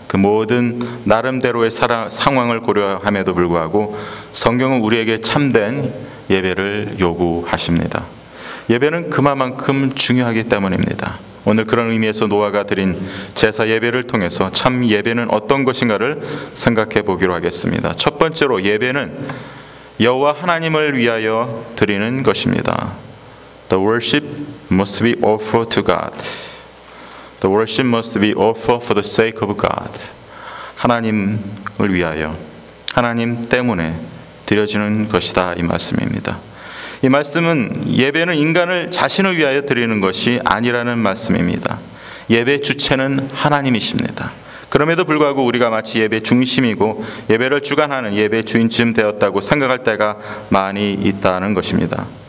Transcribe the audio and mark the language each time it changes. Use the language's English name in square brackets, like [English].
[Korean] 그 모든 나름대로의 상황을 고려함에도 불구하고 성경은 우리에게 참된 예배를 요구하십니다. 예배는 그만큼 중요하기 때문입니다. 오늘 그런 의미에서 노아가 드린 제사 예배를 통해서 참 예배는 어떤 것인가를 생각해 보기로 하겠습니다. 첫 번째로 예배는 여호와 하나님을 위하여 드리는 것입니다. [English] The worship must be offered to God. The worship must be offered for the sake of God. [Korean] 하나님을 위하여, 하나님 때문에 드려지는 것이다 이 말씀입니다. 이 말씀은 예배는 인간을 자신을 위하여 드리는 것이 아니라는 말씀입니다. 예배 주체는 하나님이십니다. 그럼에도 불구하고 우리가 마치 예배 중심이고 예배를 주관하는 예배 주인쯤 되었다고 생각할 때가 많이 있다는 것입니다.